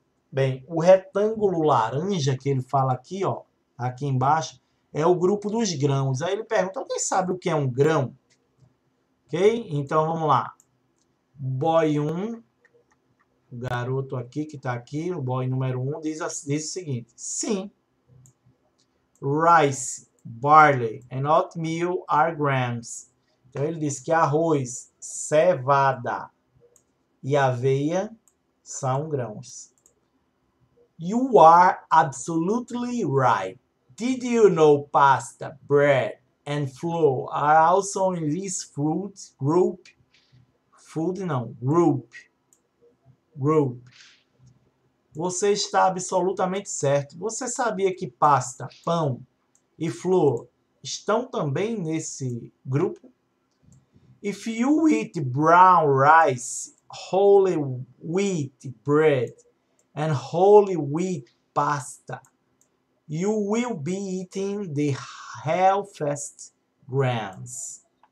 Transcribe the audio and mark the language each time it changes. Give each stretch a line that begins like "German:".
Portuguese: Bem, o retângulo laranja que ele fala aqui, ó, aqui embaixo, é o grupo dos grãos. Aí ele pergunta: alguém sabe o que é um grão? Ok? Então vamos lá. Boy 1, o garoto aqui que está aqui, o boy número 1, diz o seguinte: sim.
English: Rice, barley and oatmeal are grams.
Portuguese: Então ele diz que arroz, cevada e aveia são grãos.
English: You are absolutely right. Did you know pasta, bread and flour are also in this fruit group? Food não, group. Group.
Portuguese: Você está absolutamente certo. Você sabia que pasta, pão e flor estão também nesse grupo?
English: If you eat brown rice, whole wheat bread and whole wheat pasta, you will be eating the healthiest grains.